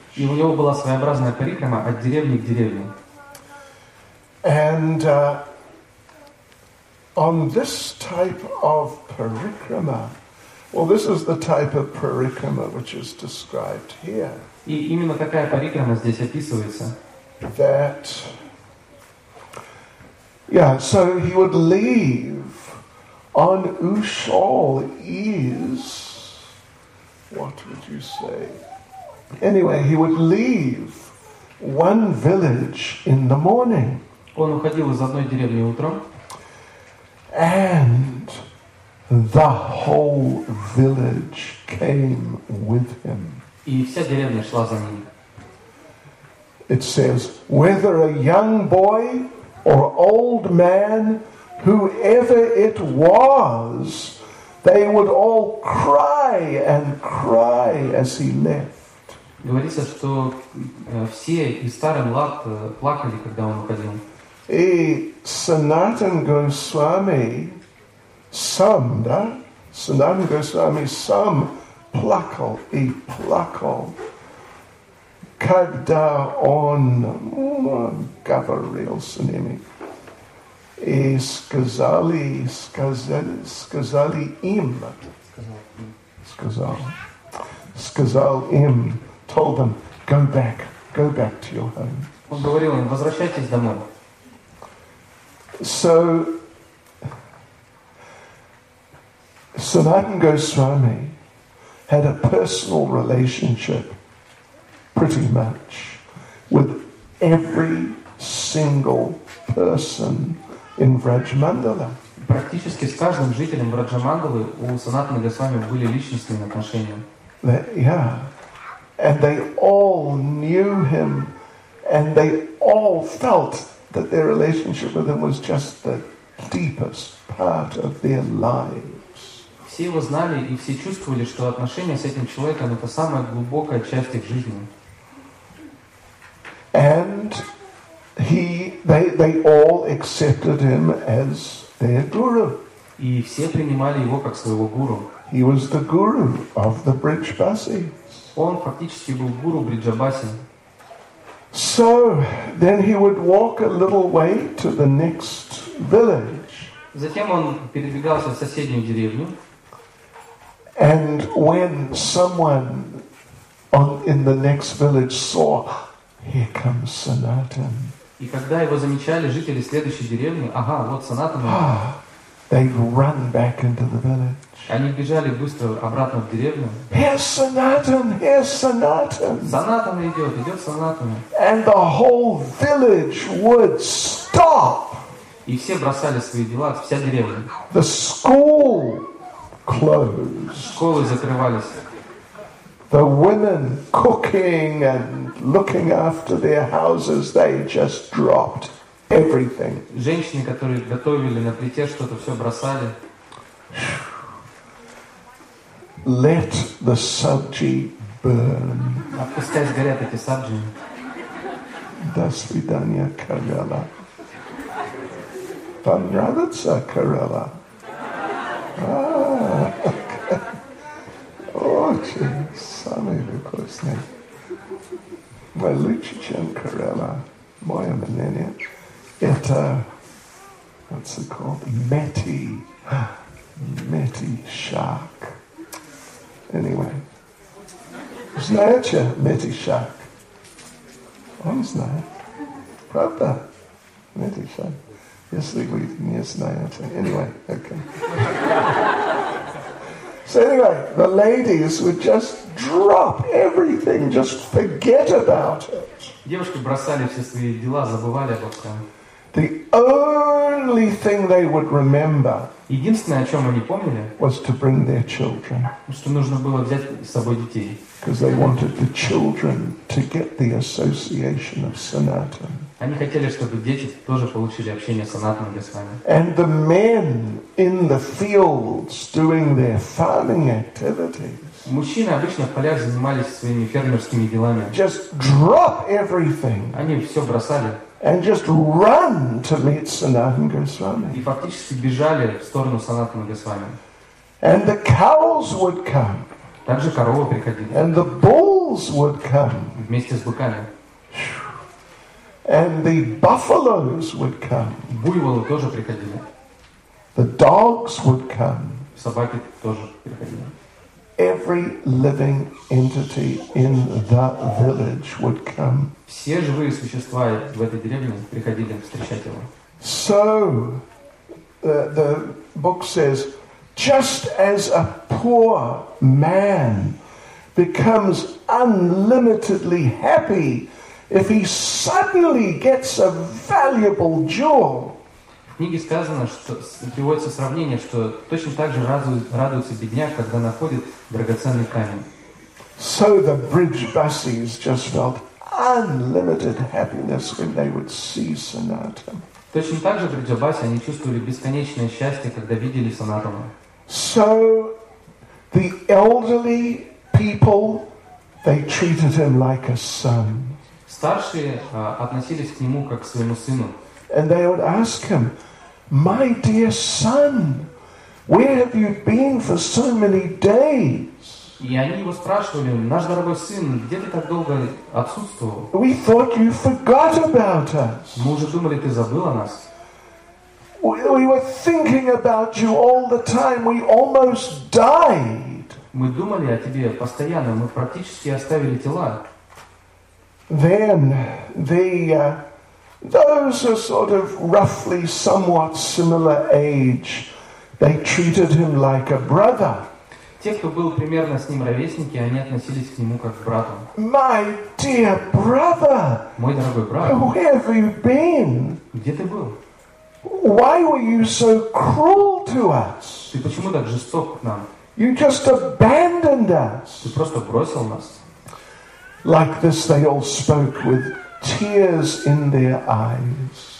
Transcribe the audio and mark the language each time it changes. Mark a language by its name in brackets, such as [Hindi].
[Russian] И у него была своеобразная парикрама от деревни к деревне. [English] And on this type of parikrama, well, this is the type of parikrama which is described here. [Russian] И именно такая парикрама здесь описывается. [English] That, yeah, so he would leave on Ushal is, what would you say? Anyway, he would leave one village in the morning. [Russian] Он уходил из одной деревни утром. [English] And the whole village came with him. [Russian] И вся деревня шла за ним. [English] It says, whether a young boy or old man, whoever it was, they would all cry and cry as he left. [Russian] Говорится, что все и старый млад плакали, когда он уходил. И Санатан Госвами сам, да? Санатан Госвами сам плакал и плакал, когда он говорил с ними. И сказал им, [English] told them, go back to your home. [Russian] Он говорил им, возвращайтесь домой. [English] So, Sanatan Goswami had a personal relationship pretty much with every single person in Vrajmandala. [Russian] Практически с каждым жителем Враджамандалы у Санатана Госвами были личностные отношения. [English] And they all knew him, and they all felt that their relationship with him was just the deepest part of their lives. [Russian] Все его знали и все чувствовали, что отношения с этим человеком — это самая глубокая часть их жизни. [English] And they all accepted him as their guru. [Russian] И все принимали его как своего гуру. [English] He was the guru of the Brijbasi. [Russian] Он фактически был гуру Бриджабаси. [English] So then he would walk a little way to the next village. [Russian] Затем он передвигался в соседнюю деревню. [English] And when someone in the next village saw, here comes Sanatan. [Russian] И когда его замечали жители следующей деревни, ага, вот Санатан. [English] They'd run back into the village. [Russian] Они бежали быстро обратно в деревню. [English] Here's Sanatan. [Russian] Санатан идет Санатан. [English] And the whole village would stop. [Russian] И все бросали свои дела, вся деревня. [English] The school closed. [Russian] Школы закрывались. [English] The women cooking and looking after their houses, they just dropped everything. [Russian] Женщины, которые готовили на плите что-то, все бросали. [English] Let the sabji burn. [Russian] Отпускай сгорят эти сабджи. До свидания, Карелла. Понравится, Карелла? Очень самый вкусный. Мой лучше, чем Карелла. Мое мнение. Это, [English] what's it called? [Russian] Мети шарк. Anyway, знаете, Метишак? Он знает. Правда? Метишак. Если вы не знаете. [English] Anyway, okay. So anyway, the ladies would just drop everything, just forget about it. [Russian] Девушки бросали все свои дела, забывали обо всем. [English] The only thing they would remember. [Russian] Единственное, о чем они помнили, [English] was to bring their children. [Russian] Что нужно было взять с собой детей. [English] Because they wanted the children to get the association of Sanatan. [Russian] Они хотели, чтобы дети тоже получили общение с Санатаном Госвами. [English] And the men in the fields doing their farming activities. [Russian] Мужчины обычно в полях занимались своими фермерскими делами. [English] Just drop everything. [Russian] Они все бросали. [English] And just run to meet Sanatan Goswami. [Russian] И фактически бежали в сторону Санатана Госвами. [English] And the cows would come. [Russian] Также коровы приходили. [English] And the bulls would come. [Russian] Вместе с быками. [English] And the buffaloes would come. [Russian] Буйволы тоже приходили. [English] The dogs would come. [Russian] Собаки тоже приходили. [English] Every living entity in the village would come. [Russian] Все живые существа в этой деревне приходили встречать его. [English] So, the book says, just as a poor man becomes unlimitedly happy if he suddenly gets a valuable jewel. [Russian] В книге сказано, что приводится сравнение, что точно так же радуется бедняк, когда находит драгоценный камень. [English] So the Brijbasis just felt unlimited happiness when they would see Sanatan. [Russian] Точно так же Бриджабаси они чувствовали бесконечное счастье, когда видели Санатана. [English] So the elderly people They treated him like a son. [Russian] Старшие относились к нему как к своему сыну. [English] And they would ask him, "My dear son, where have you been for so many days?" [Russian] И они его спрашивали: "Наш дорогой сын, где ты так долго отсутствовал?" [English] "We thought you forgot about us." [Russian] Мы уже думали, ты забыл о нас. [English] "We were thinking about you all the time. We almost died." [Russian] Мы думали о тебе постоянно. Мы практически оставили тела. [English] Then those are sort of roughly somewhat similar age. They treated him like a brother. [Russian] Те, кто был примерно с ним ровесники, они относились к нему как к брату. [English] "My dear brother." [Russian] Мой дорогой брат. [English] "Where have you been?" [Russian] Где ты был? [English] "Why were you so cruel to us?" [Russian] Ты почему так жесток к нам? [English] "You just abandoned us." [Russian] Ты просто бросил нас. [English] Like this, they all spoke with tears in their eyes.